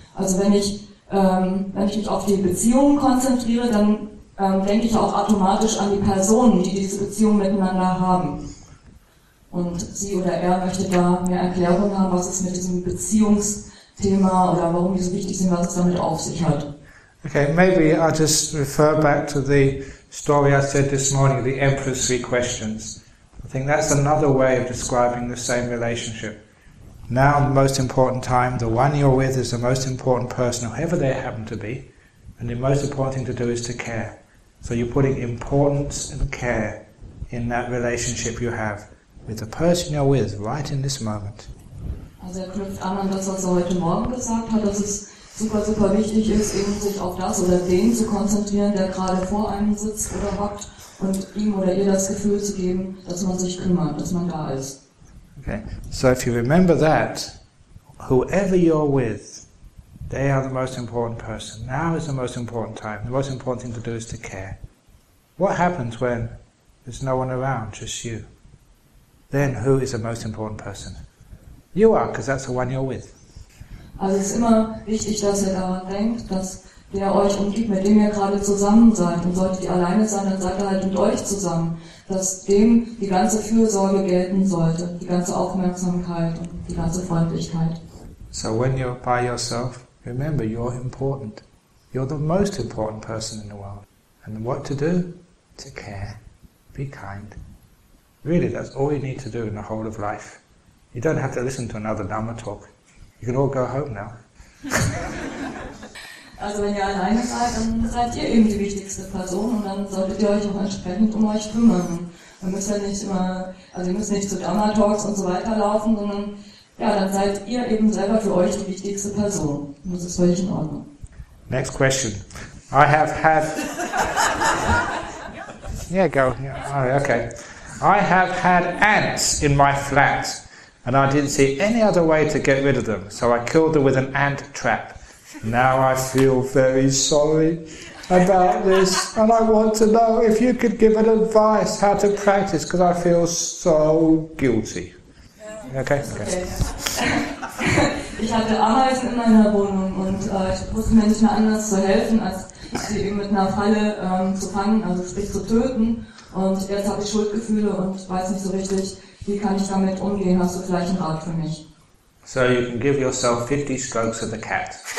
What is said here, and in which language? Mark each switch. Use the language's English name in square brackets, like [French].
[German] Also wenn ich mich auf die Beziehung konzentriere, dann denke ich auch automatisch an die Personen, die diese Beziehung miteinander haben. Und sie oder er möchte da mehr Erklärung haben, was es mit diesem Beziehungsthema oder warum die so wichtig sind, was es damit auf sich hat. [English] Okay, maybe I'll just refer back to the story I said this morning, the Emperor's Three Questions. I think that's another way of describing the same relationship. Now, the most important time, the one you're with is the most important person, whoever they happen to be, and the most important thing to do is to care. So you're putting importance and care in that relationship you have with the person you're with right in this moment. [German] Also er knüpft an das, was er heute Morgen gesagt hat, dass es super, super wichtig ist, eben sich auf das oder den zu konzentrieren, der gerade vor einem sitzt oder hockt, und ihm oder ihr das Gefühl zu geben, dass man sich kümmert, dass man da ist. [English] Okay, so if you remember that, whoever you're with, they are the most important person. Now is the most important time. The most important thing to do is to care. What happens when there's no one around, just you? Then who is the most important person? You are, because that's the one you're with. [German] Also es ist immer wichtig, dass ihr daran denkt, dass der euch umgibt, mit dem ihr gerade zusammen seid. Und solltet ihr alleine sein, dann seid ihr halt mit euch zusammen. Dass dem die ganze Fürsorge gelten sollte, die ganze Aufmerksamkeit und die ganze Freundlichkeit. [English] So when you're by yourself, remember you're important. You're the most important person in the world. And what to do? To care. Be kind. Really, that's all you need to do in the whole of life. You don't have to listen to another Dhamma talk. You can all go home now. [German] Also wenn ihr alleine seid, dann seid ihr eben die wichtigste Person und dann solltet ihr euch auch entsprechend um euch kümmern. Man muss ja nicht immer, also ihr müsst nicht zu Dhamma Talks und so weiter laufen, sondern ja, dann seid ihr eben selber für euch die wichtigste Person. Und das ist völlig in Ordnung. [English] Next question. I have had. Yeah, go. Yeah. Okay. I have had ants in my flat, and I didn't see any other way to get rid of them, so I killed them with an ant trap. Now I feel very sorry about this, and I want to know if you could give an advice how to practice, because I feel so guilty. Yeah. Okay. Okay. Okay. [German] Ich hatte Ameisen in meiner Wohnung und ich wusste mir nicht mehr anders zu helfen, als sie eben mit einer Falle zu fangen, also sprich zu töten. Und jetzt habe ich Schuldgefühle und weiß nicht so richtig, wie kann ich damit umgehen? Hast du vielleicht einen Rat für mich? [English] So you can give yourself 50 strokes of the cat.